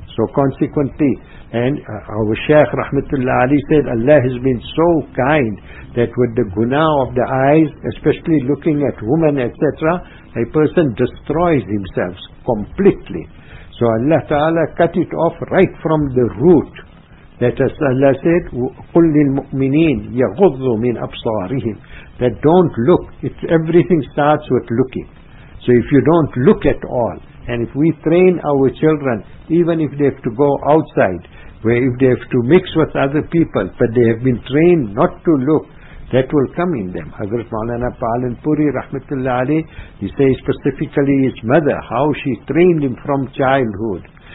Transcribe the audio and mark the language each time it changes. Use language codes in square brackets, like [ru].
[en] So consequently, and our Shaykh Rahmatullah Ali said, Allah has been so kind that with the guna of the eyes, especially looking at women, etc., a person destroys himself completely. So Allah Ta'ala cut it off right from the root. That as Allah said, [ar] قُلْ لِلْمُؤْمِنِينَ يَغُضُّ مِنْ أَبْصَارِهِمْ. [en] That don't look. Everything starts with looking. So if you don't look at all, and if we train our children, even if they have to go outside, where if they have to mix with other people, but they have been trained not to look, that will come in them. Hazrat Maulana Palanpuri Rahmatullah Ali, he says specifically his mother, how she trained him from childhood.